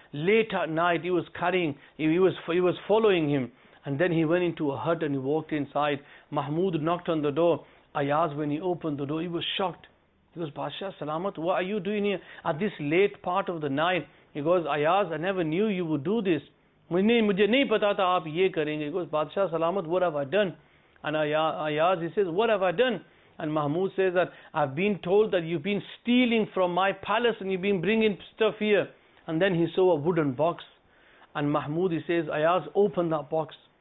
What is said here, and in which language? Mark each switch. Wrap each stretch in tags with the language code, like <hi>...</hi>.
<en>Late at night, he was following him. And then he went into a hut and he walked inside. Mahmud knocked on the door. Ayaz, when he opened the door, he was shocked. He goes, Bashar Salamat, what are you doing here at this late part of the night? He goes, Ayaz, I never knew you would do this.</en> <ur>مجھے نہیں پتا تھا آپ یہ کریں گے۔</ur> <en>He goes, Bashar Salamat, what have I done? And Ayaz, he says, what have I done? And Mahmud says that, I've been told that you've been stealing from my palace and you've been bringing stuff here. And then he saw a wooden box. And Mahmud, he says, Ayaz, open that box.</en>